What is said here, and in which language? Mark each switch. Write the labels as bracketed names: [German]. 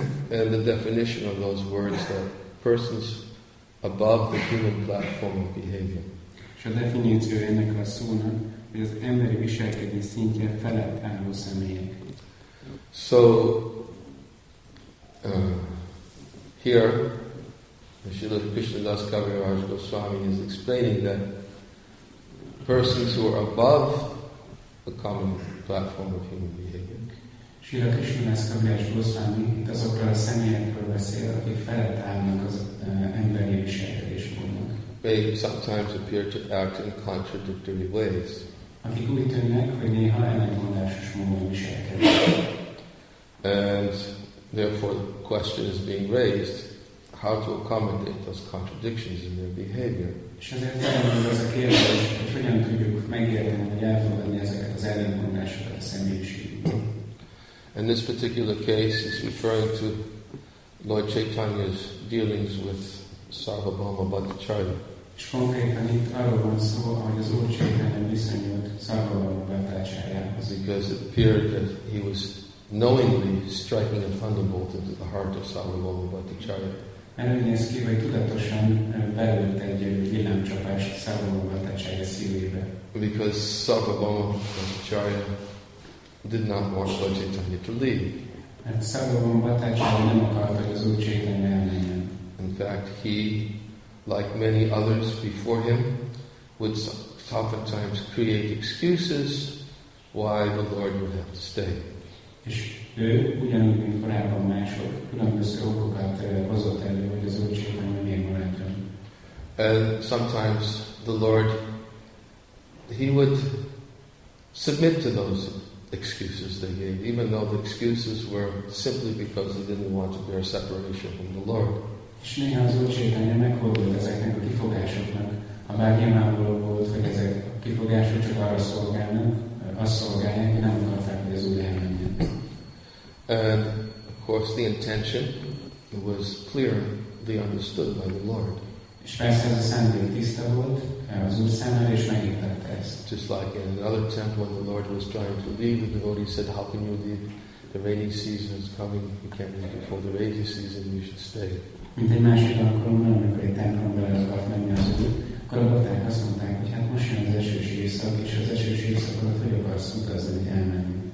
[English] And the definition of those words that persons above the human platform of behavior. [Hungarian] És a definíció ennek a szónak, hogy az emberi viselkedés szintje felett álló személyek. [English] So here Srila Krishna Das Kaviraj Goswami is explaining that persons who are above the common platform of human behavior. [Hungarian] Srila Krishna Das Kaviraj Goswami itt azokról a személyekről beszél, akik felett állnak az emberi viselkedésmódnak. [English] They sometimes appear to act in contradictory ways. [Hungarian] Akik úgy tűnnek, hogy néha ellentmondásos módon viselkednek. [English] And therefore the question is being raised, how to accommodate those contradictions in their behavior. [Hungarian] És ezért felmerül az a kérdés, hogy hogyan tudjuk megérteni, vagy elfogadni ezeket az ellentmondásokat a személyiségünkben. [English] In this particular case, he's referring to Lord Chaitanya's dealings with Sarvabhauma Bhattacharya. [Hungarian] És konkrétan itt arról van szó, hogy az Úr Chaitanya viszonyult Sarvabhauma Bhattacharyához. [English] Because it appeared that he was knowingly striking a thunderbolt into the heart of Sarvabhauma Bhattacharya. [Hungarian] Mert úgy néz ki, hogy tudatosan belőtt egy villámcsapást Sarvabhauma Bhattacharya szívébe. [English] Because Sarvabhauma Bhattacharya did not want Lord Chaitanya to leave. [Hungarian] Mert Sarvabhauma Bhattacharya nem akarta, hogy az Úr Chaitanya elmenjen. [English] In fact, he, like many others before him, would oftentimes create excuses why the Lord would have to stay. [Hungarian] És ő, ugyanúgy, mint korábban mások, különböző okokat hozott elő, hogy az Úr Chaitanya miért maradjon. [English] And sometimes the Lord, he would submit to those excuses they gave, even though the excuses were simply because he didn't want to bear separation from the Lord. [Hungarian] És néha az Úr Chaitanya meghódolt ezeknek a kifogásoknak, A Bhagyanából volt, hogy ezek a kifogások csak arra szolgálnak, azt szolgálják, hogy nem akarták, hogy az Úr elmenjen. [English] And of course the intention was clearly understood by the Lord. [Hungarian] És persze ez a szándék tiszta volt, az Úr számára is megértette ezt. [English] Just like in another temple when the Lord was trying to leave, the devotee said, how can you leave? The rainy season is coming, you can't leave before the rainy season, you should stay. [Hungarian] Mint egy másik alkalommal, amikor egy templomban el akart menni az Úr, akkor a bakták azt mondták, hogy hát most jön az esős éjszak, és az esős éjszak alatt, hogy akarsz utazni, elmenni.